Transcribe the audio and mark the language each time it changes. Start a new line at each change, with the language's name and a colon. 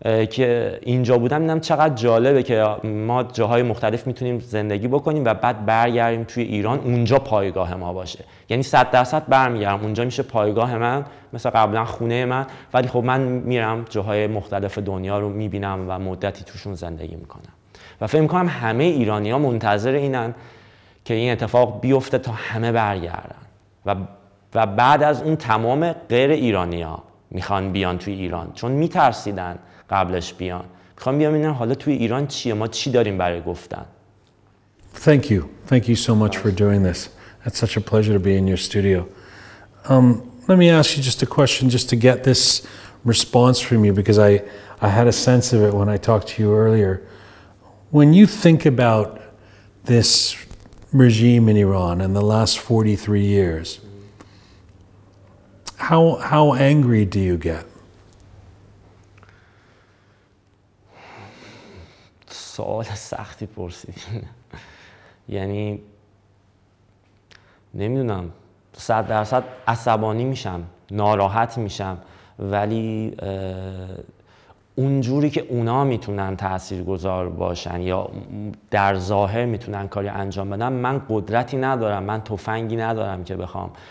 Persian: که اینجا بودم اینم چقدر جالبه که ما جاهای مختلف میتونیم زندگی بکنیم و بعد برگردیم توی ایران اونجا پایگاه ما باشه یعنی 100% برمیگردم اونجا میشه پایگاه من مثل قبلا خونه من ولی خب من میرم جاهای مختلف دنیا رو میبینم و مدتی توشون زندگی میکنم و فکر میکنم همه ایرانی ها منتظر اینن که این اتفاق بیفته تا همه برگردن و بعد از اون تمام غیر ایرانی ها میخوان بیان توی ایران چون میترسیدن قبلش بیان میخوام بیام اینه حالا توی ایران چیه ما چی داریم برای گفتن
English: Thank you so much for doing this It's such a pleasure to be in your studio Let me ask you just a question just to get this response from you because I had a sense of it when I talked to you earlier When you think about this regime in Iran in the last 43 years how angry do you get?
Persian: سوال سختی پرسید یعنی نمیدونم 100% عصبانی میشم ناراحت میشم ولی اونجوری که اونا میتونن تاثیرگذار باشن یا در ظاهر میتونن کاری انجام بدن من قدرتی ندارم من تفنگی ندارم که بخوام